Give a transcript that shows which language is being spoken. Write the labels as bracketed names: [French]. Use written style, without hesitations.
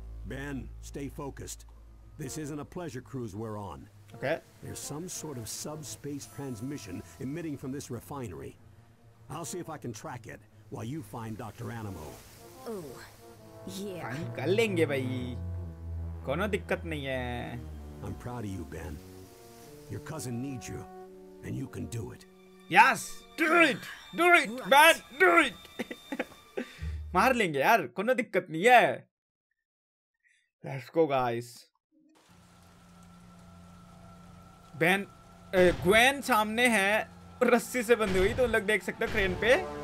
[English] Ben stay focused, this isn't a pleasure cruise we are on. Okay. There's some sort of subspace transmission emitting from this refinery. I'll see if I can track it while you find Dr. Animo. Oh, yeah. [Hindi] कर लेंगे भाई, कोनो दिक्कत नहीं है। [English] I'm proud of you, Ben. Your cousin needs you, and you can do it. Yes, do it, do it, Ben, do it. [Hindi] मार लेंगे यार, कोनो दिक्कत नहीं है। [English] Let's go, guys. [Hindi] Ben, Gwen सामने है रस्सी से बंधी हुई, तो लग देख सकते हो क्रेन पे।